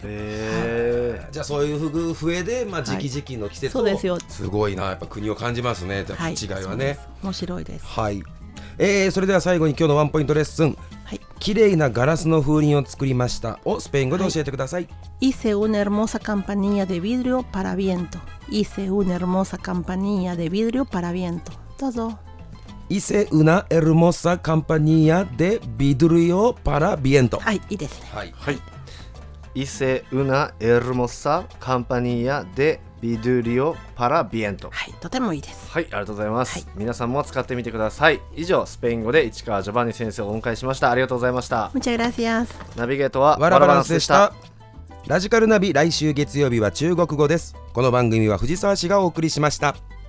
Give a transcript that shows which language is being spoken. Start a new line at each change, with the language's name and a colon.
Japanese: へ、はい、じゃあそういう笛で、まあ、時期時期の季節を、はい、そうですよ。すごいな、やっぱ国を感じますね、はい、違いはね。面白いです、はい。それでは最後に今日のワンポイントレッスン、はい、綺麗なガラスの風鈴を作りましたをスペイン語で教えてください。
Spanish: Hice una hermosa campanilla de vidrio para viento. Hice una hermosa campanilla de vidrio para viento.
Japanese: どうぞ。
Spanish: Hice una hermosa campanilla de vidrio para viento.
Japanese: はい、いいですね。はい。はい。
Spanish: Hice una hermosa campanilla de vidrio para viento.
Japanese: はい、とてもいいです。はい、ありがとうございます。はい、皆さんも使ってみてください。以上、スペイン語で市川ジョバンニ先生をお迎えしました。ありがとうございました。
Spanish: Muchas gracias。
Japanese: ナビゲートはワラバランスでした。ラジカルナビ、来週月曜日は中国語です。この番組は藤沢市がお送りしました。